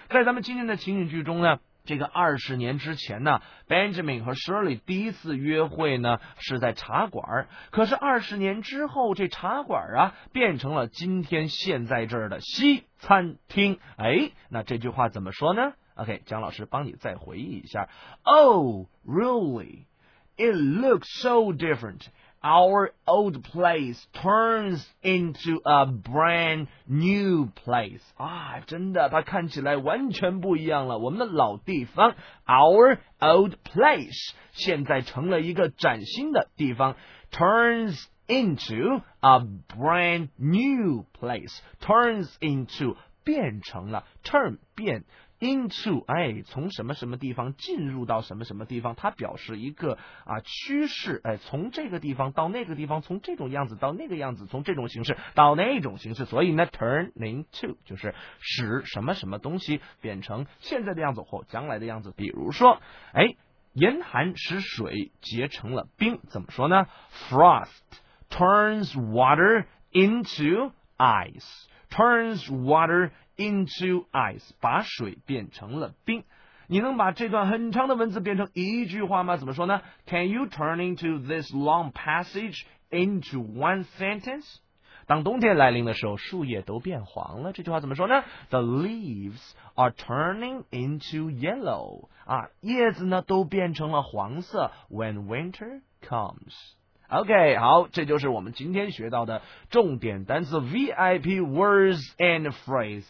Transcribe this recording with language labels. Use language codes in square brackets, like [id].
[zh] 在咱们今天的情景剧中呢，这个20年之前呢 ，Benjamin 和 Shirley 第一次约会呢是在茶馆，可是20年之后，这茶馆啊变成了今天现在这儿的西餐厅。哎，那这句话怎么说呢 ？OK， 姜老师帮你再回忆一下。 [en] Oh, really? It looks so different. Our old place turns into a brand new place. [zh] 啊，真的，它看起来完全不一样了。我们的老地方 ， [en] our old place， [zh] 现在成了一个崭新的地方。 [en] Turns into a brand new place. [zh] Turns into 变成了 turn 变。 into 哎，从什么什么地方进入到什么什么地方，它表示一个啊趋势，哎，从这个地方到那个地方，从这种样子到那个样子，从这种形式到那种形式，所以呢 turn into 就是使什么什么东西变成现在的样子或将来的样子。比如说哎，严寒使水结成了冰，怎么说呢？ [en] frost turns water into ice， turns water into ice， [zh] 把水变成了冰。你能把这段很长的文字变成一句话吗？怎么说呢？ [en] Can you turn into this long passage into one sentence？ [zh] 当冬天来临的时候，树叶都变黄了，这句话怎么说呢？ [en] The leaves are turning into yellow， [zh] 啊，叶子呢都变成了黄色。 [en] When winter comes. [zh] Okay, 好，这就是我们今天学到的重点单词 [en] VIP words and phrase.